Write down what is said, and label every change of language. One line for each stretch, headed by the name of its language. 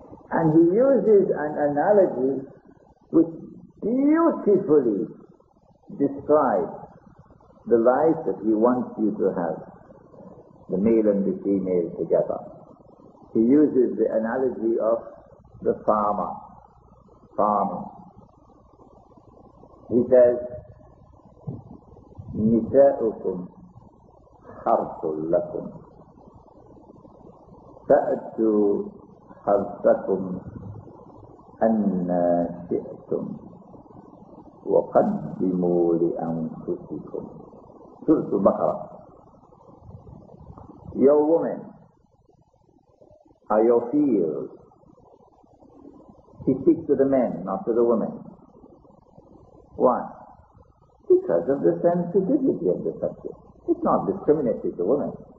English: And he uses an analogy which beautifully describes the life that he wants you to have, the male and the female together. He uses the analogy of the farmer, farming. He says,
Arabic: نِسَاءُكُمْ حَرْثٌ لَكُمْ فَأَتُوا حَرْثَكُمْ أَنَّا شِئْتُمْ وَقَدِّمُوا لِأَنفُسِكُمْ سُرْتُ الْبَقَرَةِ.
English: Your women are your fields. He speaks to the men, not to the women. Why? Because of the sensitivity of the subject. It's not discriminatory to women.